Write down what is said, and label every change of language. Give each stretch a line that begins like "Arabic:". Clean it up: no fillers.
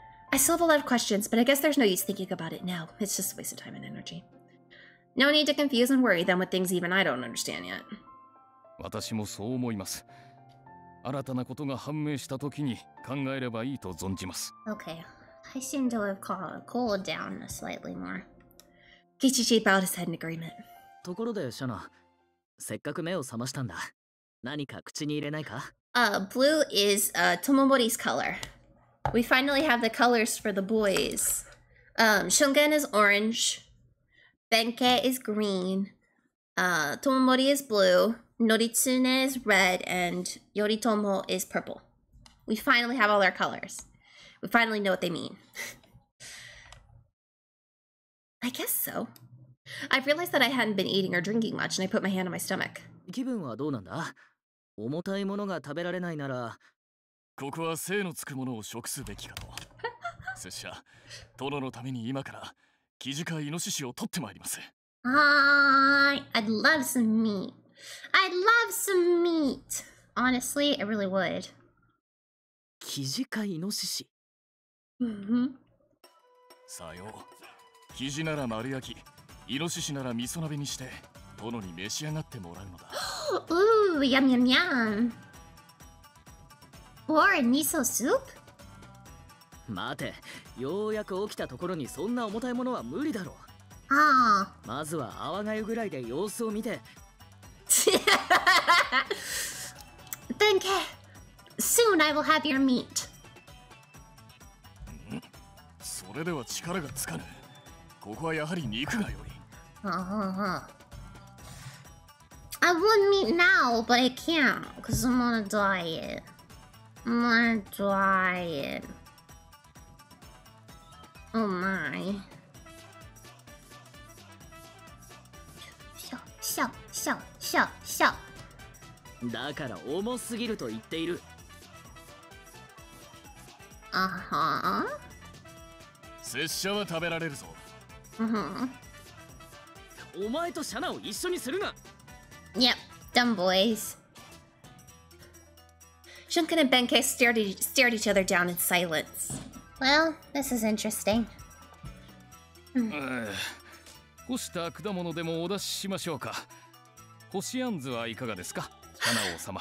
English: I still have a lot of questions, but I guess there's no use thinking about it now. It's just a waste of time and energy. No need to confuse and worry them with things even I don't understand yet.
Japanese: 私もそう思います。新たなことが判明したときに考えればいいと存じます。
English: Okay. I seem to have cooled down slightly more. Kichiji bowed his head in agreement.
Japanese: ところで、シャナ、せっかく目を覚ましたんだ。何か口に入れないか?
English: Blue is, Tomomori's color. We finally have the colors for the boys. Shungen is orange. Benkei is green. Tomomori is blue. Noritsune is red. And Yoritomo is purple. We finally have all our colors. We finally know what they mean. I guess so. I've realized that I hadn't been eating or drinking much, and I put my hand on my stomach.
Japanese: 気分はどうなんだ? 重たいものが食べられないなら… ここは精のつくものを食すべきかと。拙者、殿のために今から、キジかイノシシを取ってまいります。
English: I'd love some meat. I'd love some meat. Honestly, I really would.
Japanese: キジかイノシシ。さよう。キジなら丸焼き、イノシシなら味噌鍋にして、殿に召し上がってもらうのだ。
English: Ooh, yum yum yum. Or a miso soup?
Japanese: 待て、ようやく起きたところにそんな重たいものは無理だろう。ああ。まずは泡がゆぐらいで様子を見て。
English: Benkei, soon I will have your meat.
Japanese: それでは力がつかぬ。ここはやはり肉がより。
English: I want meat now, but I can't, because I'm on a diet. My diet. Oh my. Shou, shou, shou, shou, shou.
Japanese: だから重すぎると言っている。あは。拙者は食べられるぞ。うん。お前とシャナを一緒にするな。
English: Yep, dumb boys. Shunken and Benkei stared each other down in silence. Well, this is interesting.
Japanese: 干した果物でもお出ししましょうか。干しあんずはいかがですか、花王様。